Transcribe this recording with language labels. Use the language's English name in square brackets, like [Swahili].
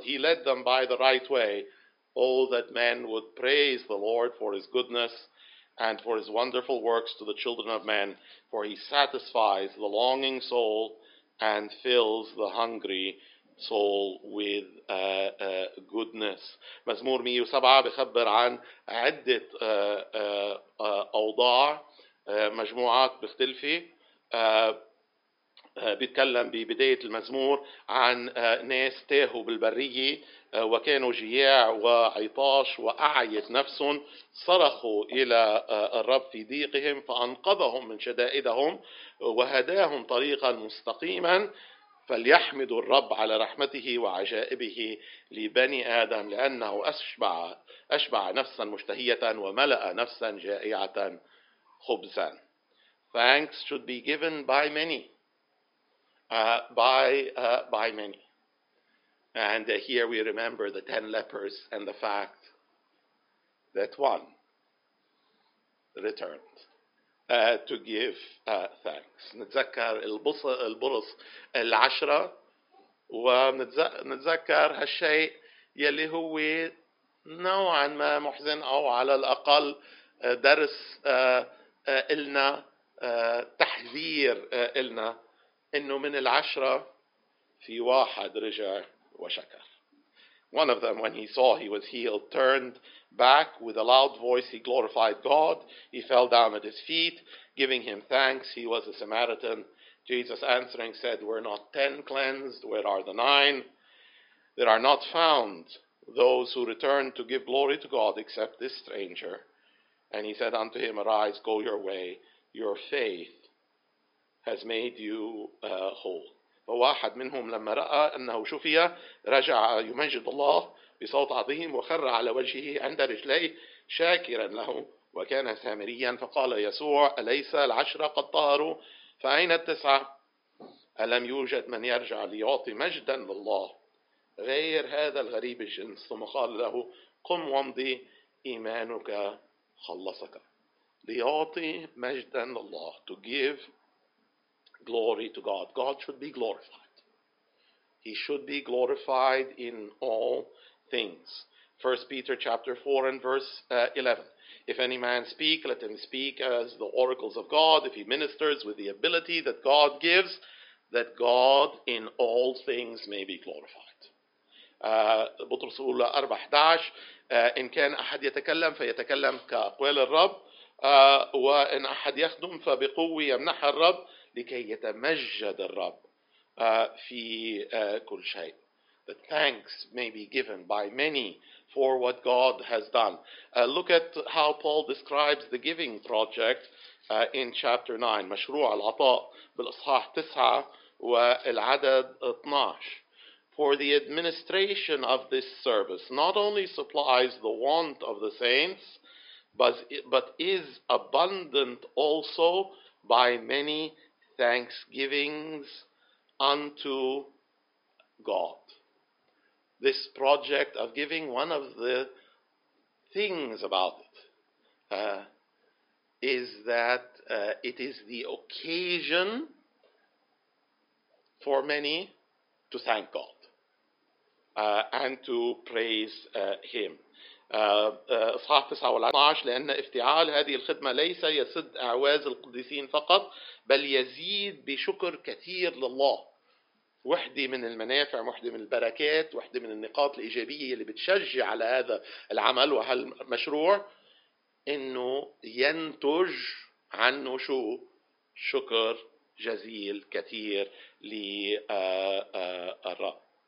[English] He led them by the right way. Oh, that men would praise the Lord for his goodness and for his wonderful works to the children of men, for he satisfies the longing soul and fills the hungry soul with goodness. [Arabic] مزمور 107 بخبر عن عدة أوضاع مجموعات مختلفة. بيتكلم ببداية المزمور عن ناس تاهوا بالبرية وكانوا جياع وعطاش وأعيت نفسهم، صرخوا إلى الرب في ضيقهم فأنقذهم من شدائدهم وهداهم طريقا مستقيما، فليحمدوا الرب على رحمته وعجائبه لبني آدم، لأنه أشبع نفسا مشتهية وملأ نفسا جائعة خبزا. [English] Thanks should be given by many. By many. And here we remember the 10 lepers and the fact that one returned to give thanks. [Arabic] نتذكر البرص العشرة ونتذكر هالشيء يلي هو نوعا ما محزن أو على الأقل درس إلنا تحذير إلنا إنه من العشرة في واحد رجع وشكر. [English] One of them, when he saw he was healed, turned back with a loud voice. He glorified God. He fell down at his feet, giving him thanks. He was a Samaritan. Jesus answering said, "Were not 10 cleansed? Where are the 9? There are not found those who return to give glory to God except this stranger." And he said unto him, "Arise, go your way. Your faith has made you whole." [Arabic] فواحد منهم لما رأى أنه شفي رجع يمجد الله بصوت عظيم وخر على وجهه عند رجليه شاكرا له وكان سامريا فقال يسوع أليس العشرة قد طهروا فأين التسعة؟ ألم يوجد من يرجع ليعطي مجدا لله غير هذا الغريب الجنس؟ ثم قال له: قم وامضي، إيمانك خلصك. ليعطي مجدا لله. [English] To give glory to God. God should be glorified. He should be glorified in all things. 1 Peter chapter 4 and verse 11. If any man speak, let him speak as the oracles of God. If he ministers with the ability that God gives, that God in all things may be glorified. [Arabic] بطرس الأولى 4:11. إن كان أحد يتكلم فيتكلم كأقوال الرب، وإن أحد يخدم فبقوة يمنح الرب لكي يتمجد الرب في كل شيء. [English] That thanks may be given by many for what God has done. Look at how Paul describes the giving project in chapter 9. [Arabic] مشروع العطاء بالإصحاح 9 والعدد 12. [English] For the administration of this service not only supplies the want of the saints, but is abundant also by many thanksgivings unto God. This project of giving, one of the things about it is that it is the occasion for many to thank God and to praise Him. [Arabic] إصحاح 9 والعدد 12: لأن افتعال هذه الخدمة ليس يسد أعواز القديسين فقط، بل يزيد بشكر كثير لله. واحدة من المنافع، واحدة من البركات، واحدة من النقاط الإيجابية اللي بتشجع على هذا العمل وهالمشروع، إنه ينتج عنه شو؟ شكر جزيل كثير للرب.